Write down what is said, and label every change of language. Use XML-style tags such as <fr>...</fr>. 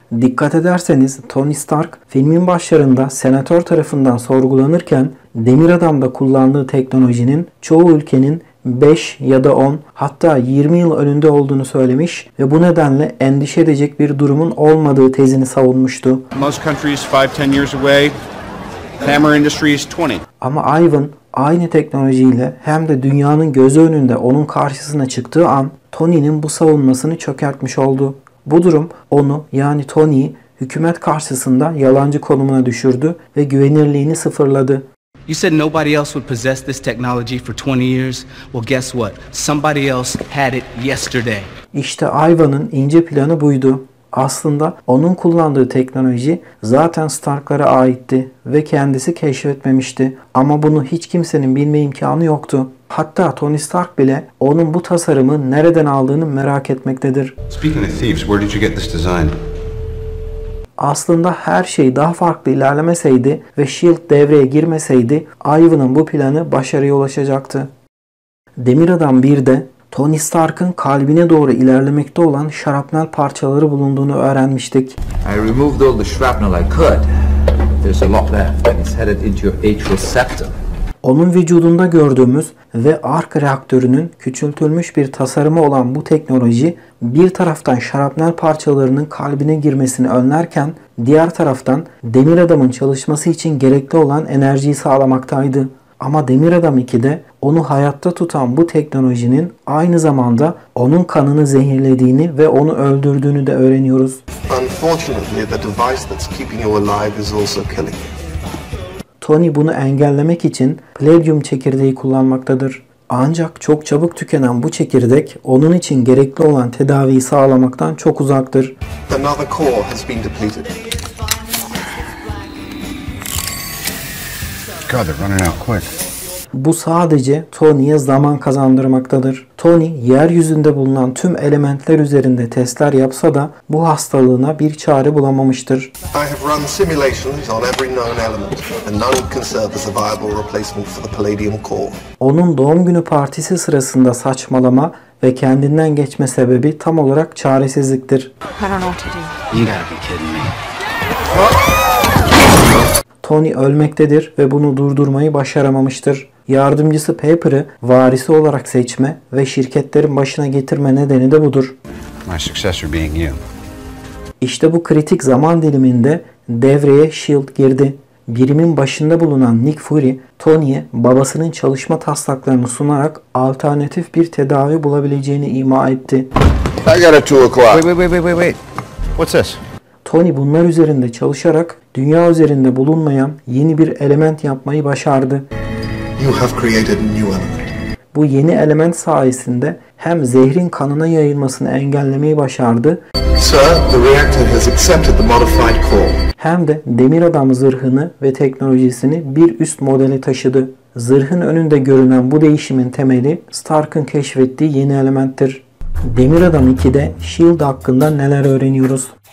<tr>Dikkat ederseniz Tony Stark filmin başlarında senatör tarafından sorgulanırken Demir Adam'da kullandığı teknolojinin çoğu ülkenin 5 ya da 10 hatta 20 yıl önünde olduğunu söylemiş ve bu nedenle endişe edecek bir durumun olmadığı tezini savunmuştu.</tr> <en>Most countries 5-10 years away. Hammer industry is 20.</en> <tr>Ama Ivan aynı teknolojiyle hem de dünyanın gözü önünde onun karşısına çıktığı an Tony'nin bu savunmasını çökertmiş oldu. Bu durum onu yani Tony'yi hükümet karşısında yalancı konumuna düşürdü ve güvenirliğini sıfırladı.</tr> <en>You said nobody else would possess this technology for 20 years. Well, guess what? Somebody else had it yesterday.</en> <tr>İşte Ivan'ın ince planı buydu. Aslında onun kullandığı teknoloji zaten Stark'lara aitti ve kendisi keşfetmemişti. Ama bunu hiç kimsenin bilme imkanı yoktu. Hatta Tony Stark bile onun bu tasarımı nereden aldığını merak etmektedir.</tr> <en>Speaking of thieves, where did you get this design?</en> <tr>Aslında her şey daha farklı ilerlemeseydi ve S.H.I.E.L.D. devreye girmeseydi Ivan'ın bu planı başarıya ulaşacaktı. Demir Adam 1'de Tony Stark'ın kalbine doğru ilerlemekte olan şarapnel parçaları bulunduğunu öğrenmiştik.</tr> <en>I removed all the shrapnel I could. There's a lot left and it's headed into your atrial septum.</en> <tr>Onun vücudunda gördüğümüz ve Ark reaktörünün küçültülmüş bir tasarımı olan bu teknoloji bir taraftan şarapnel parçalarının kalbine girmesini önlerken diğer taraftan Demir Adam'ın çalışması için gerekli olan enerjiyi sağlamaktaydı. Ama Demir Adam 2'de onu hayatta tutan bu teknolojinin aynı zamanda onun kanını zehirlediğini ve onu öldürdüğünü de öğreniyoruz.</tr> <en>Unfortunately, the device that's keeping you alive is also killing you.</en> <tr>Tony bunu engellemek için Palladium çekirdeği kullanmaktadır. Ancak çok çabuk tükenen bu çekirdek onun için gerekli olan tedaviyi sağlamaktan çok uzaktır.</tr> <en>Another core has been depleted. God, they're running out quick.</en> <tr>Bu sadece Tony'ye zaman kazandırmaktadır. Tony yeryüzünde bulunan tüm elementler üzerinde testler yapsa da bu hastalığına bir çare bulamamıştır.</tr> <en>I have run simulations on every known element and none can serve as a viable replacement for the Palladium core.</en> <tr>Onun doğum günü partisi sırasında saçmalama ve kendinden geçme sebebi tam olarak çaresizliktir. Tony ölmektedir ve bunu durdurmayı başaramamıştır. Yardımcısı Pepper'ı varisi olarak seçme ve şirketlerin başına getirme nedeni de budur. My successor being you. İşte bu kritik zaman diliminde devreye S.H.I.E.L.D. girdi. Birimin başında bulunan Nick Fury, Tony'ye babasının çalışma taslaklarını sunarak alternatif bir tedavi bulabileceğini ima etti.</tr> <en>I got a 2 o'clock. Wait. What's this?</en> <tr>Tony bunlar üzerinde çalışarak dünya üzerinde bulunmayan yeni bir element yapmayı başardı.</tr> <en>You have created a new element.</en> <tr>Bu yeni element sayesinde hem zehrin kanına yayılmasını engellemeyi başardı.</tr> <en>Sir, the reactor has accepted the modified core.</en> <tr>Hem de Demir Adam zırhını ve teknolojisini bir üst modele taşıdı. Zırhın önünde görünen bu değişimin temeli Stark'ın keşfettiği yeni elementtir. Demir Adam 2'de S.H.I.E.L.D. hakkında neler öğreniyoruz?</tr>